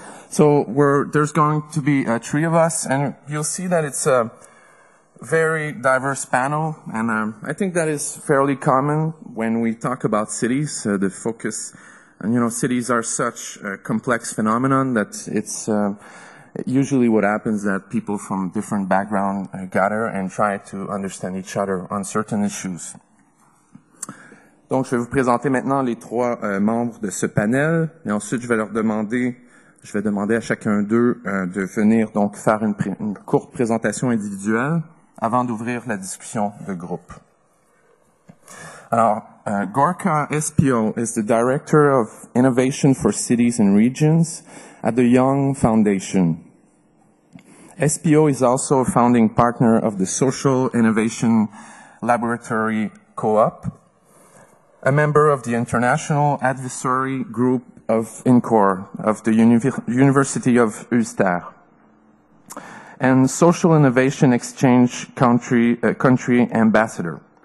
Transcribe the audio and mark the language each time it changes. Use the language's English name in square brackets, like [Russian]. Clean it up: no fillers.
[English] So there's going to be three of us, and you'll see that it's a very diverse panel, and I think that is fairly common when we talk about cities. The focus, and you know, cities are such a complex phenomenon that it's. Usually what happens is that people from different backgrounds gather and try to understand each other on certain issues. [French] Donc, je vais vous présenter maintenant les trois membres de ce panel. Et ensuite, je vais demander à chacun d'eux de venir donc faire une courte présentation individuelle avant d'ouvrir la discussion de groupe. [English] Alors, Gorka Espio is the Director of Innovation for Cities and Regions at the Young Foundation. SPO is also a founding partner of the Social Innovation Laboratory Co-op, a member of the International Advisory Group of INCOR, of the University of Ulster, and Social Innovation Exchange Country Ambassador.